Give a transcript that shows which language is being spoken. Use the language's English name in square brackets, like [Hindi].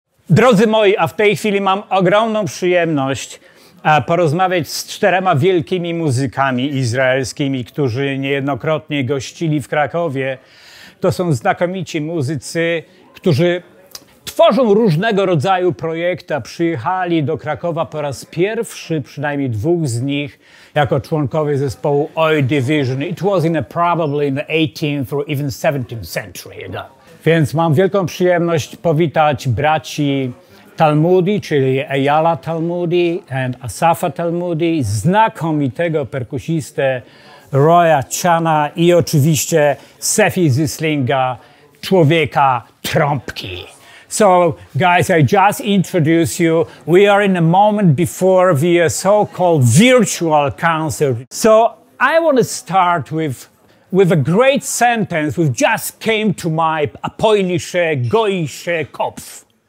[Polish] Drodzy moi, a w tej chwili mam ogromną przyjemność porozmawiać z czterema wielkimi muzykami izraelskimi, którzy niejednokrotnie gościli w Krakowie. To są znakomici muzycy, którzy tworzą różnego rodzaju projekty. Przyjechali do Krakowa po raz pierwszy, przynajmniej dwóch z nich, jako członkowie zespołu Oi Division. [English] It was in a, probably in the 18th or even 17th century ago. [Polish] Więc mam wielką przyjemność powitać braci Talmudi, czyli Eyala Talmudi [English] and [Polish] Asafa Talmudi, znakomitego perkusistę Roya Chana i oczywiście Sefi Zislinga, człowieka trąbki. [English] So guys, I just introduce you. We are in a moment before the so-called virtual concert. So I want to start with a great sentence which just came to my [Yiddish] Polische Goische Kopf.